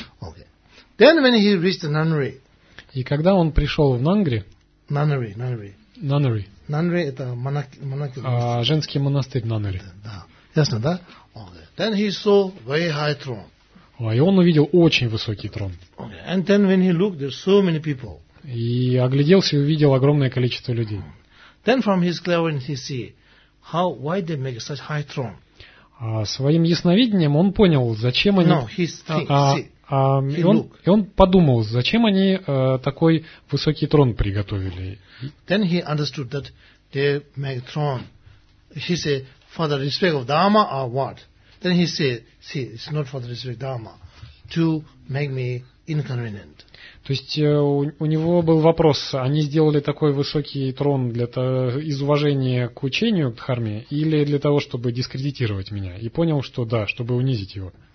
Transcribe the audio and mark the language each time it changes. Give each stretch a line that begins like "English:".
English: Окей. Then when he reached the nunnery.
Russian: И когда он пришел в нанри. Нанри. Нанри это монахи. А женский монастырь Нанри. Да. Ясно, да?
English: Then he saw very high throne.
Russian: И он увидел очень высокий трон.
English: Okay. And then when he looked, there's so many people.
Russian: И огляделся и увидел огромное количество людей.
English: Then from his cleverness he see how why they make such high throne.
Russian: А своим ясновидением он понял, зачем они.
English: No, he
Russian: И он подумал, зачем они такой высокий трон приготовили.
English: Then he understood that they make throne. He said, for the respect of Dharma or what? Then he said, see, it's not for the respect of Dharma to make me inconvenient.
Russian: То есть у него был вопрос, они сделали такой высокий трон из уважения к учению, к дхарме, или для того, чтобы дискредитировать меня? И понял, что да, чтобы унизить его.